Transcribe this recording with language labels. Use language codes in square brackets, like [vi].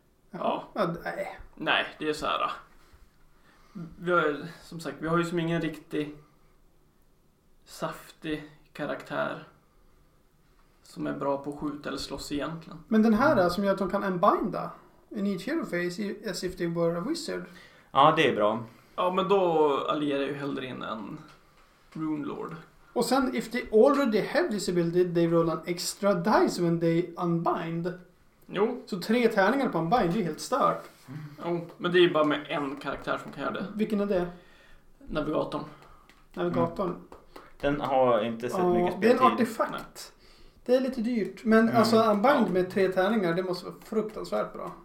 [sv] Ja. Ja, nej. Nej, det är så här då. Vi har, som sagt, vi har ju som ingen riktig saftig karaktär som är bra på att skjuta eller slåss egentligen. Men den här som gör att de kan unbinda. [en] You need hero face as if they were a wizard. [sv] Ja, det är bra. Ja, men då allierar jag ju hellre in en rune lord. Och sen, [en] if they already have this ability, they roll an extra dice when they unbind. [sv] Jo. Så 3 tärningar på unbind, det är helt stört. Mm. Jo, men det är ju bara med en karaktär som kan göra det. Vilken är det? Navigatorn. Navigatorn. Mm. Den har inte sett mycket speltid. Det är en artefakt. Nej. Det är lite dyrt, men alltså en band med tre tärningar, det måste vara fruktansvärt bra.